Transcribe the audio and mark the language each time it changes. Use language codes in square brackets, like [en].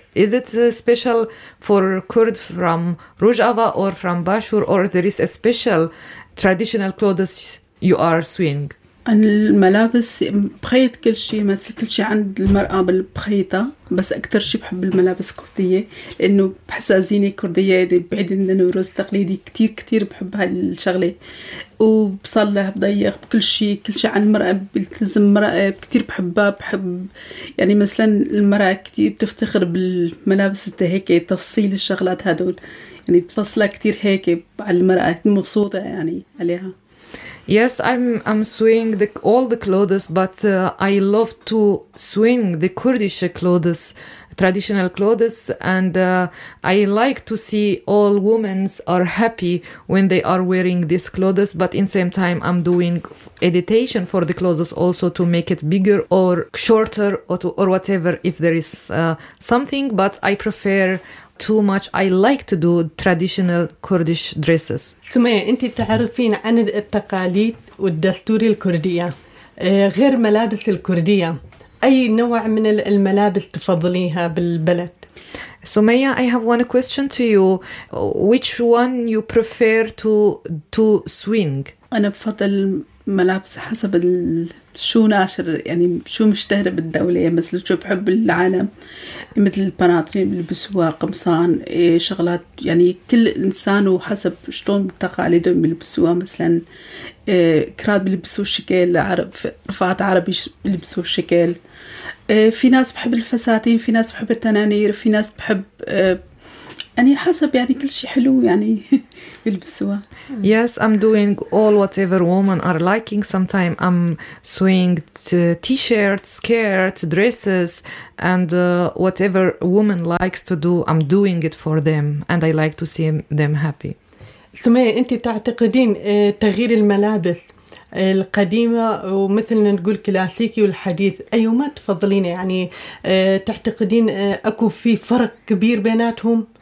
[en] Is it special for Kurd from Rojava or from Bashur, or there is a special traditional clothes you are sewing? [ar] الملابس بخيط كل شيء، مثل كل شيء عند المرأة بالبخيطة، بس أكثر شيء بحب الملابس كردية إنه بحسها زينة كردية بعيد عن النوروز التقليدي. كتير كتير بحب هالشغلة وبصلح بضيق بكل شيء، كل شيء عن المرأة بيلتزم المرأة كتير بحبها. بحب يعني مثلا المرأة كتير بتفتخر بالملابس هيك تفصيل الشغلات هدول، يعني بتفصلها كتير هيك على المرأة مبسوطة يعني عليها. [en] Yes, I'm sewing all the clothes, but I love to sewing the Kurdish clothes, traditional clothes, and I like to see all women are happy when they are wearing these clothes. But in same time, I'm doing editation for the clothes also to make it bigger or shorter or whatever if there is something. But I prefer too much. I like to do traditional Kurdish dresses. [ar] سمية أنت تعرفين عن التقاليد والدستور الكردية غير ملابس الكردية أي نوع من الملابس تفضليها بالبلد؟ [en] سمية, I have one question to you. Which one you prefer to swing? [ar] أنا بفضل ملابس حسب شو ناشر يعني شو مشتهر بالدولة مثل شو بحب العالم مثل البناطرين اللي بسوها قمصان شغلات يعني كل إنسان وحسب شلون تقاليدهم اللي بسوها مثلا كراد اللي بسوا الشكل العرب رفعات عربي اللي بسوا الشكل في ناس بحب الفساتين في ناس بحب التنانير في ناس بحب يعني حسب يعني كل شيء حلو يعني بلبسوها. [en] Yes, I'm doing all whatever women are liking. Sometimes I'm sewing t-shirts, skirts, dresses, and whatever woman likes to do, I'm doing it for them, and I like to see them happy. [ar] سمية, أنت تعتقدين تغيير الملابس القديمة ومثل نقول كلاسيكي والحديث أيهما تفضلين يعني تعتقدين أكو في فرق كبير بيناتهم؟